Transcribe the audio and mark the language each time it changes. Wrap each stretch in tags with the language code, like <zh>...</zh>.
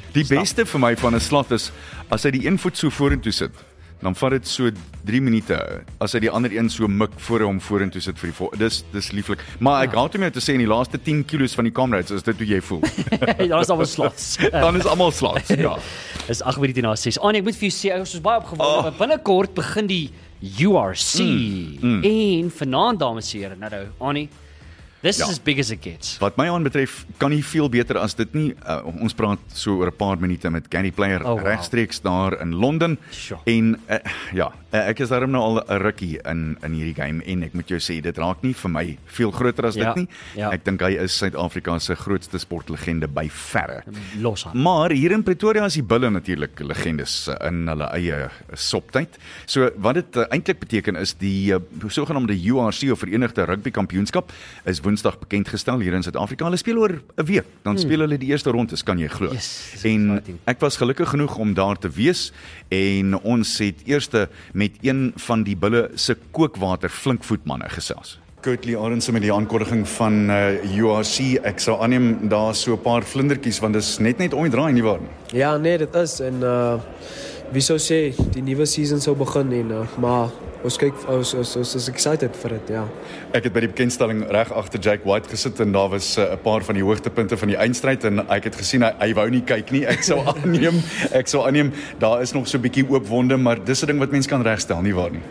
<af>Die beste vir my van 'n sloth is, as hy die een voet so vorentoe sit, dan vat dit so 3 minute as hy die ander een so mik voor hom vorentoe sit vir die dis lieflik. Maar ek hou toe mee te sê in die laaste 10 kilos van die comrades is dit hoe jy voel. Dan is almal slots. Dan is almal slots, ja. Is 8 minute na 6. Ah nee, ek moet vir jou sê, ons is baie opgewonde. Oh. Binnekort begin die URC. En vanaand, dames en here, nou,</af> <en>Annie, this is as big as it gets.</en> <af>Wat my aan betref, kan nie veel beter as dit nie. Ons praat so oor 'n paar minute met Gary Player regstreeks daar in Londen.</af> <en>Sure.</en> <af>En ek is daarom nou al 'n rukkie in hierdie game en ek moet jou sê, dit raak nie vir my veel groter as dit nie.</af> <en>Yeah.</en> <af>Ek dink hy is Suid-Afrika se grootste sportlegende by verre. Los aan. Maar hier in Pretoria is die bulle natuurlik legendes in hulle eie soptyd. So wat dit eintlik beteken is die sogenaamde URC of Verenigde Rugby Kampioenskap is Woensdag bekend gestel hier in Suid-Afrika. Hulle speel oor 'n week, dan speel hulle die eerste rondes, kan jy glo.</af> <en>Yes,</en> <af>en ek was gelukkig genoeg om daar te wees en ons het eerste met een van die bulle se kookwater flinkvoetmanne gesels. Kootlie Arendse met die aankondiging van URC. Ek sal aanneem daar so 'n paar vlindertjies, want dis net omdraai nie waar. Ja, nee, dit is. En wie sou sê, die nuwe season sou begin en maar ons kyk, ons is excited vir dit, ja. Ek het by die bekendstelling reg agter Jake White gesit en daar was 'n paar van die hoogtepunte van die eindstryd en ek het gesien, hy wou nie kyk nie, ek sou aanneem, daar is nog so 'n bietjie oop wonde, maar dis 'n ding wat mens kan regstel, nie waar nie?</af>